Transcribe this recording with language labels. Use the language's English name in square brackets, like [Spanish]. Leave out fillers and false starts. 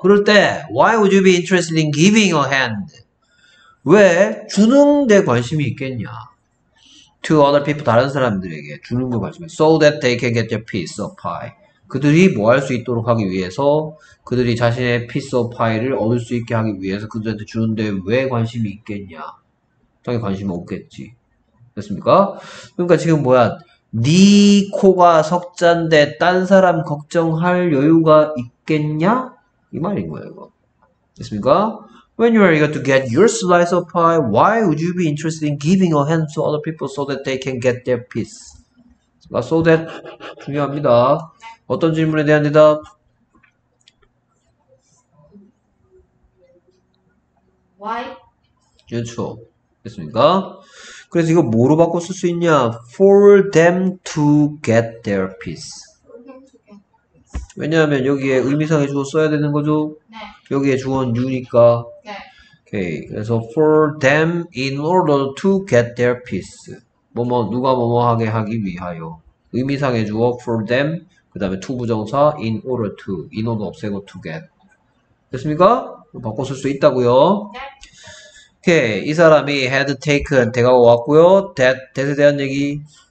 [Korean] 그럴 때 [English] why would you be interested in giving a hand? [Korean] 왜 주는 데 관심이 있겠냐? [English] To other people, [Korean] 다른 사람들에게 주는 걸 관심이. [English] So that they can get their piece of pie. [Korean] 그들이 뭐 할 수 있도록 하기 위해서, 그들이 자신의 [English] piece of pie [Korean] 를 얻을 수 있게 하기 위해서 그들한테 주는데 왜 관심이 있겠냐? 당연히 관심은 없겠지. 됐습니까? 그러니까 지금 뭐야? 네 코가 석잔데 딴 사람 걱정할 여유가 있겠냐? 이 말인 거예요, 이거. 됐습니까? [English] When you are eager to get your slice of pie, why would you be interested in giving a hand to other people so that they can get their piece? So that, [Korean] 중요합니다. 어떤 질문에 대한 대답? [English] Why? [Korean] 그렇죠. 됐습니까? 그래서 이거 뭐로 바꿔 쓸 수 있냐? [English] For them to get their peace. [Korean] 왜냐하면 여기에 의미상의 주어 써야 되는 거죠? 네. 여기에 주어는 you니까. 네. [English] Okay. [Korean] 그래서 [English] for them in order to get their peace. [Korean] 뭐뭐, 누가 뭐뭐 하게 하기 위하여. 의미상의 주어 [English] for them, [Korean] 그 다음에 [English] to 부정사 in order to, in order [Korean] 없애고 [English] to get. [Korean] 됐습니까? 바꿔 쓸 수 있다고요. 네. 오케이. 이 사람이 [English] had taken, [Korean] 대가 왔고요. that, that에 대한 얘기.